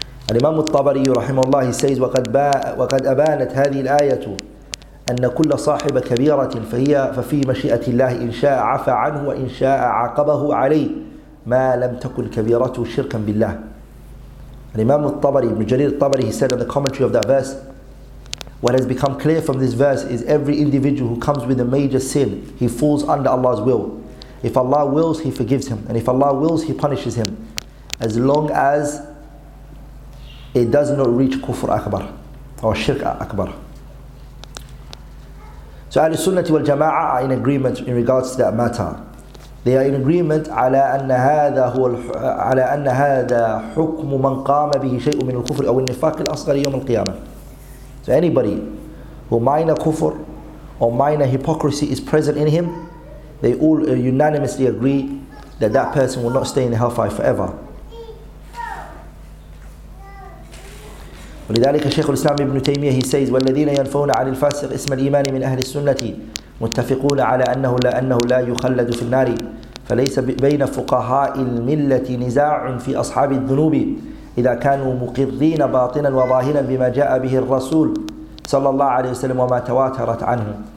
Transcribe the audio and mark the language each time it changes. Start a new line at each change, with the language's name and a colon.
Arabic: الإمام الطبري رحمه الله says, وَقَدْ أَبَانَتْ هَذِهِ الْآيَةُ أن كل صاحب كبيرة فهي ففي مشيئة الله إن شاء عفى عنه وإن شاء عاقبه عليه ما لم تكن كبيرته شركا بالله.
English: الإمام الطبري, ابن جرير الطبري, he said in the commentary of that verse, what has become clear from this verse is every individual who comes with a major sin, he falls under Allah's will. If Allah wills, he forgives him. And if Allah wills, he punishes him. As long as it does not reach kufr akbar or shirk akbar. So Ahlul Sunnah wal Jama'ah are in agreement in regards to that matter. They are in agreement
Arabic: على أن هذا هو على أن هذا حكم من قام به شيء من الكفر أو النفاق الأصغر يوم القيامة.
English: So anybody who minor kufr or minor hypocrisy is present in him, they all unanimously agree that that person will not stay in the hellfire forever.
Arabic: ولذلك الشيخ الإسلام ابن تيمية, he says, والذين ينفون عن الفاسق اسم الإيمان من أهل السنة متفقون على أنه لا يخلد في النار, فليس بين فقهاء الملة نزاع في أصحاب الذنوب إذا كانوا مقرين باطنا وظاهرا بما جاء به الرسول صلى الله عليه وسلم وما تواترت عنه